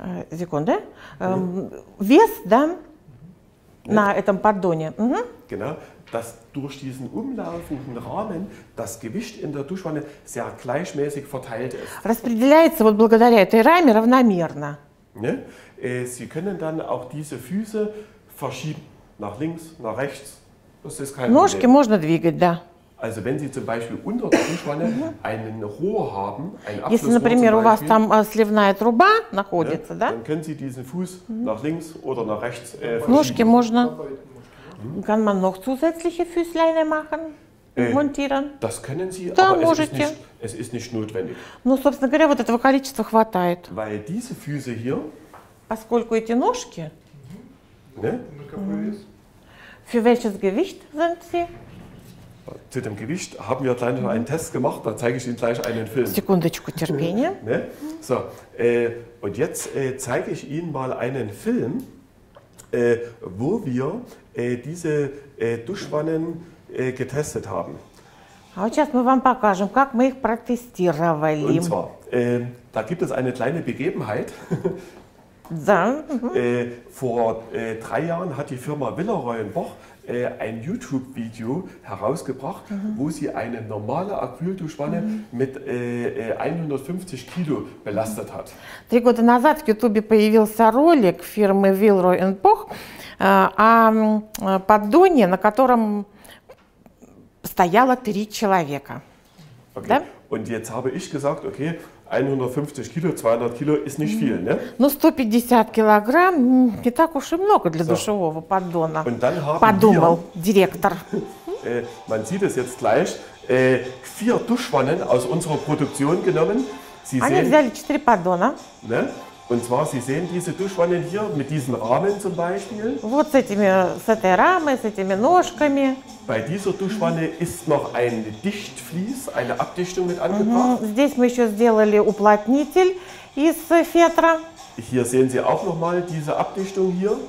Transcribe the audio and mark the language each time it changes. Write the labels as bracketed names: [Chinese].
[German] Sekunde, [Russian] Вес, да? На этом поддоне. [German] Genau, dass durch diesen umlaufenden Rahmen das Gewicht in der Duschwanne sehr gleichmäßig verteilt ist. [Russian] Распределяется вот благодаря этой раме равномерно. [German] Ne? Sie können dann auch diese Füße verschieben, nach links, nach rechts. Das ist kein [Russian] Ножки [German] Problem. [Russian] Можно двигать, да. [German] Also wenn Sie zum Beispiel unter der Duschwanne einen Rohr haben, ein Abflussrohr, [Russian] если, например, у вас там сливная труба находится, да? [German] Dann können Sie diesen Fuß nach links oder nach rechts verschieben. [Russian] Ножки можно. [German] Kann man noch zusätzliche Füßleine machen, montieren? Das können Sie, da aber es ist nicht notwendig. [Russian] Но, собственно говоря, вот этого количества хватает. [German] Weil diese Füße hier, [Russian] поскольку эти ножки, [German] ne? Für welches Gewicht sind sie? Zu dem Gewicht haben wir gleich noch einen Test gemacht, da zeige ich Ihnen gleich einen Film. [Russian] Секундочку, терпение. [German] Ne? So, und jetzt zeige ich Ihnen mal einen Film, wo wir diese Duschwannen getestet haben. Und zwar, da gibt es eine kleine Begebenheit. Da. Vor 3 Jahren hat die Firma Villeroy & Boch ein YouTube-Video herausgebracht, wo sie eine normale Acrylduschwanne mit 150 Kilo belastet hat. [Russian] 3 года назад в YouTube появился ролик фирмы Villeroy & Boch о поддоне, на котором стояло 3 человека. Okay. Да? [German] Und jetzt habe ich gesagt, okay, 150 Kilo, 200 Kilo ist nicht viel, ne? [Russian] Ну, 150 Kilogramm, не так уж и много для душевого поддона. [German] Und dann haben [Russian] подумал директор. [German] Man sieht es jetzt gleich, 4 Duschwannen aus unserer Produktion genommen. Sie [Russian] Они [German] sehen, [Russian] взяли 4 поддона. [German] Ne? Und zwar, Sie sehen diese Duschwannen hier mit diesen Rahmen zum Beispiel. [Russian] Вот с этими, с этой рамой, с этими ножками. [German] Bei dieser Duschwanne ist noch ein Dichtvlies, eine Abdichtung mit angebracht. [Russian] Здесь мы еще сделали уплотнитель из фетра. [German] Hier sehen Sie auch noch mal diese Abdichtung hier.